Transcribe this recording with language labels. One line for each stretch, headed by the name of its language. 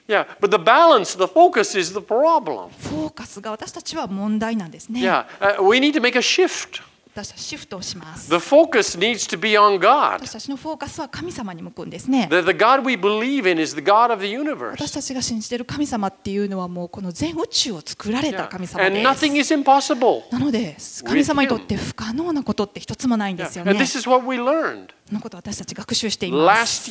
English: Yeah, but the balance, the focus is the problem.
Japanese: フォーカスが私たちは問題なんですね。
English: Yeah, we need to make a shift.
Japanese: 私たちはシフトをします。
English: The focus needs to be on God.
Japanese: 私たちのフォーカスは神様に向くんですね。
English: The God we believe in is the God of the universe.
Japanese: 私たちが信じている神様っていうのはもうこの全宇宙を作られた神様です。
English: Yeah, and nothing is impossible.
Japanese: なので神様にとって不可能なことって一つもないんですよね。
English: Yeah, this is what we learned.
Japanese: このことを私たち学習しています。